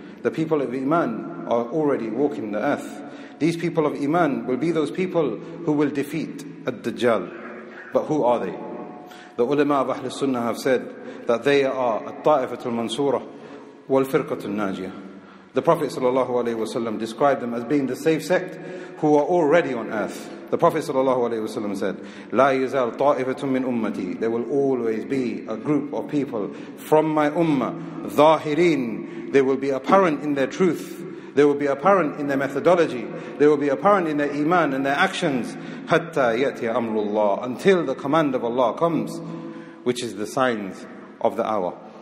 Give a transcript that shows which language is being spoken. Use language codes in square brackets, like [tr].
[en] The people of Iman are already walking the earth. These people of Iman will be those people who will defeat Ad-Dajjal. But who are they? The ulama of Ahl Sunnah have said that they are At-Ta'ifatul Mansurah wal-Firqatul Najiyah. The Prophet ﷺ described them as being the safe sect who are already on earth. The Prophet ﷺ said, [ar] لا يزال طائفة من أمتي. [en] There will always be a group of people from my ummah, ظاهرين. They will be apparent in their truth. They will be apparent in their methodology. They will be apparent in their iman and their actions. [ar] حتى يأتي أمر الله. [en] Until the command of Allah comes, which is the signs of the hour.